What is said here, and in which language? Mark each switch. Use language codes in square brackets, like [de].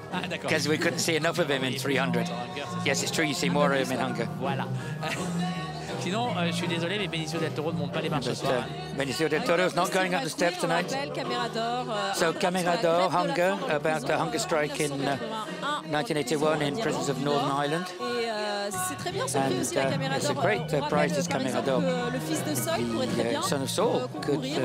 [en] Because we couldn't see enough of him in 300. Yes, it's true, you see more of him in Hunger. [fr] Sinon, je suis désolé, mais Benicio del Toro ne monte pas les marches ce soir. [en] Benicio del Toro is not going up the steps tonight. So, Camera d'Or, Hunger, about the hunger strike in 1981 in prisons of Northern Ireland. And it's a great prize, this Camera d'Or. The Son of Saul could have